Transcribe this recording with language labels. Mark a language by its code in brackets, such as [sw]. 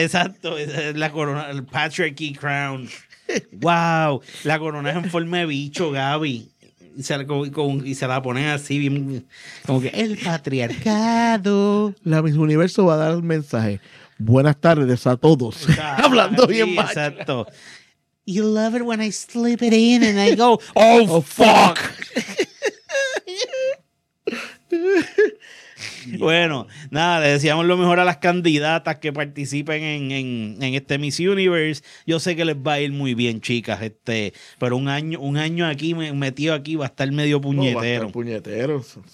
[es] Exacto, la corona, el [en] patriarchy crown. [es] Wow, la corona es en forma de bicho, Gaby. Y se la ponen así, bien, como que el patriarcado. La Miss Universo va a dar el mensaje. Buenas tardes a todos. Hablando bien sí, macho. Exacto. [en] You love it when I slip it in and I go, oh fuck. Yeah. [es] Bueno, nada, le decíamos lo mejor a las candidatas que participen en este Miss Universe. Yo sé que les va a ir muy bien, chicas, pero un año aquí metido aquí va a estar medio puñetero. No, va a estar puñetero.